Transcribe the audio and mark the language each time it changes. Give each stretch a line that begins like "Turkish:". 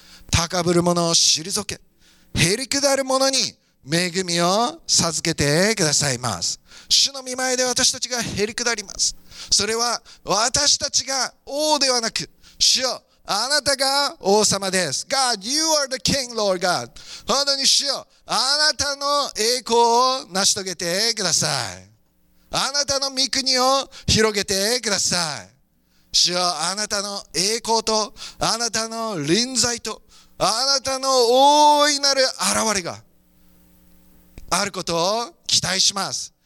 Japanese: 高ぶる者を退け、へり下る者に恵みを授けてくださいます。主の御前で私たちがへり下ります。それは私たちが王ではなく、主よ、あなたが王様です。
English: God, you are the King, Lord God.
Japanese: 本当に主よ、あなたの栄光を成し遂げてください。あなたの御国を広げてください。主よ、あなたの栄光と、あなたの臨在と、あなたの大いなる現れがあることを期待します。